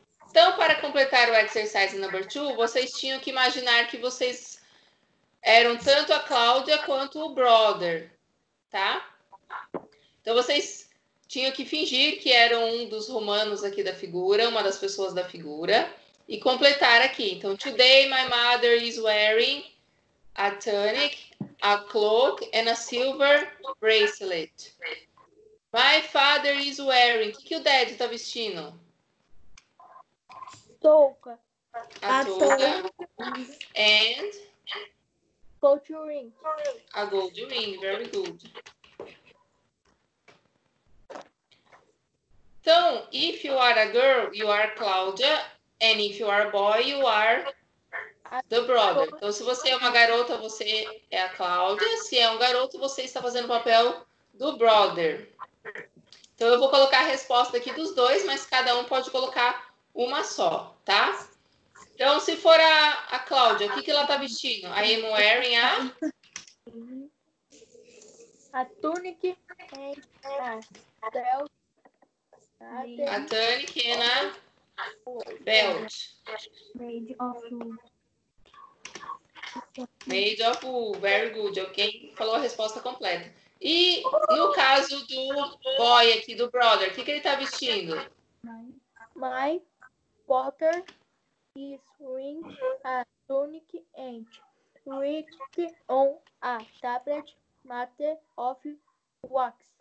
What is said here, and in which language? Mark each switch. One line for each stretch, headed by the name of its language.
Portuguese: Então, para completar o exercise number two, vocês tinham que imaginar que vocês eram tanto a Cláudia quanto o brother, tá? Então, vocês tinham que fingir que eram um dos romanos aqui da figura, uma das pessoas da figura, e completar aqui.
English: Então, today my mother is wearing a tunic, a cloak and a silver bracelet. My father is wearing.
Portuguese: O que o Dad está vestindo? Touca. A touca. And?
English: Gold ring. A gold ring. Very good. Então, if you are a girl, you are Claudia. And if you are a boy, you are the brother.
Portuguese: Então, se você é uma garota, você é a Claudia. Se é um garoto, você está fazendo o papel do brother. Então, eu vou colocar a resposta aqui dos dois, mas cada um pode colocar uma só, tá? Então, se for a Cláudia, o que que ela tá vestindo?
English: A am wearing a? A tunic e a belt. A tunic e a belt. Made of Made of wool, very good. Ok,
Portuguese: falou a resposta completa. E no caso do boy aqui, do brother, o que, que ele tá vestindo?
English: My brother is wearing a tunic and with on a tablet made of wax.